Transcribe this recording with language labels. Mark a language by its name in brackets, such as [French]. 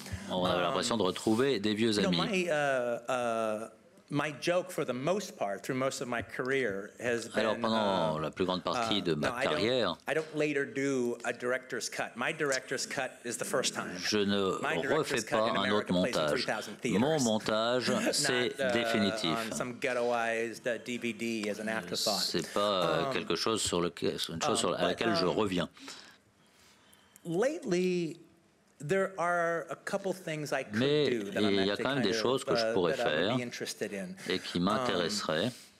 [French] On avait l'impression de retrouver des vieux amis. [English] My joke for the most part through most of my career has been [French] alors pendant la plus grande partie de ma carrière [English] I don't later do a director's cut. My director's cut is the first time. [French] Je ne refais pas un autre montage. Mon montage c'est définitif. [English] Not some ghettoized DVD as an afterthought. [French] C'est pas quelque chose sur lequel une chose sur à laquelle je reviens. [English] Lately there are a couple things I could [French] mais [English] do that [French] il y a quand même des choses que je pourrais faire et qui m'intéresseraient.